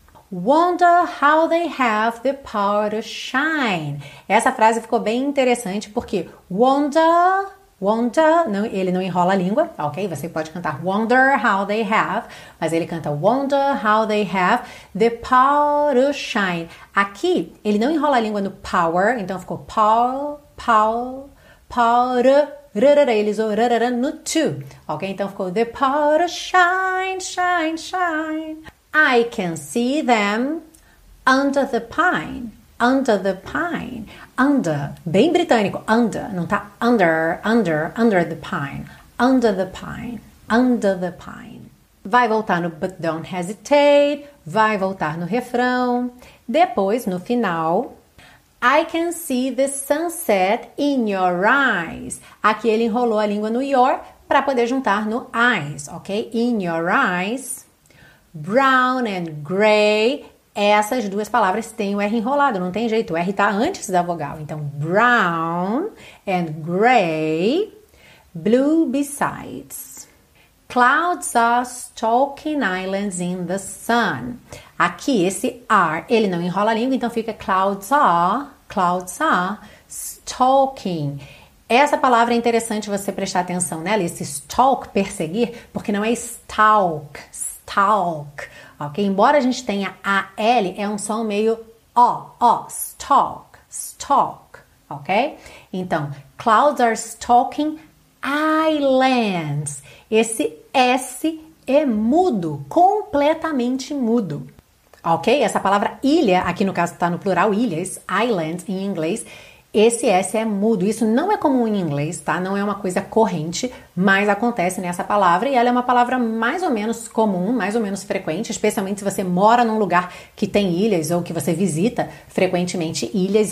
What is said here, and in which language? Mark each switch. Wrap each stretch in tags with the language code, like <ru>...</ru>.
<en>Wonder how they have the power to shine.</en> <pt>Essa frase ficou bem interessante porque wonder, wonder, não, ele não enrola a língua, ok? Você pode cantar</pt> <en>wonder how they have,</en> <pt>mas ele canta</pt> <en>wonder how they have the power to shine.</en> <pt>Aqui, ele não enrola a língua no power, então ficou power, power, rarara, ele usou rarara no to, ok? Então ficou</pt> <en>the power to shine, shine, shine. I can see them under the pine, under the pine, under,</en> <pt>bem britânico,</pt> <en>under,</en> <pt>não tá</pt> <en>under, under, under the pine, under the pine, under the pine.</en> <pt>Vai voltar no</pt> <en>but don't hesitate,</en> <pt>vai voltar no refrão, depois no final.</pt> <en>I can see the sunset in your eyes.</en> <pt>Aqui ele enrolou a língua no your para poder juntar no eyes, ok?</pt> <en>In your eyes. Brown and gray,</en> <pt>essas duas palavras têm o R enrolado, não tem jeito, o R está antes da vogal.</pt> <en>Então, brown and gray, blue besides. Clouds are stalking islands in the sun.</en> <pt>Aqui, esse R, ele não enrola a língua, então fica</pt> <en>clouds are stalking.</en> <pt>Essa palavra é interessante você prestar atenção nela, esse stalk, perseguir, porque não é stalk. Talk, ok? Embora a gente tenha a L, é um som meio ó, ó, stalk, stalk, ok?</pt> <en>Então, clouds are stalking islands.</en> <pt>Esse S é mudo, completamente mudo, ok? Essa palavra ilha, aqui no caso está no plural, ilhas, islands em inglês, esse S é mudo. Isso não é comum em inglês, tá? Não é uma coisa corrente, mas acontece nessa palavra. E ela é uma palavra mais ou menos comum, mais ou menos frequente, especialmente se você mora num lugar que tem ilhas ou que você visita frequentemente ilhas.</pt>